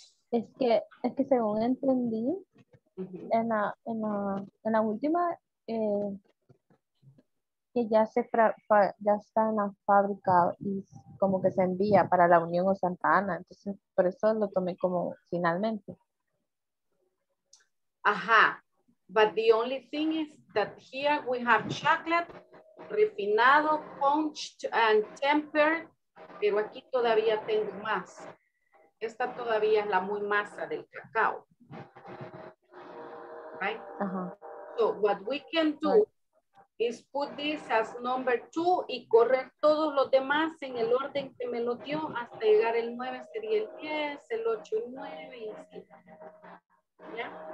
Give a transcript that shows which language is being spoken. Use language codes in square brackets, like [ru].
[es] Es que según entendí, en la última, que ya se ya está en la fábrica y como que se envía para la Unión o Santa Ana, entonces por eso lo tomé como finalmente. Ajá. [en] But the only thing is that here we have chocolate, refinado, punched, and tempered. [es] Pero aquí todavía tengo más. Esta todavía es la muy masa del cacao. [en] Right? Uh-huh. So what we can do is put this as number two [es] y correr todos los demás en el orden que me lo dio hasta llegar el 9 sería el 10, el 8 y 9 y así. ¿Ya?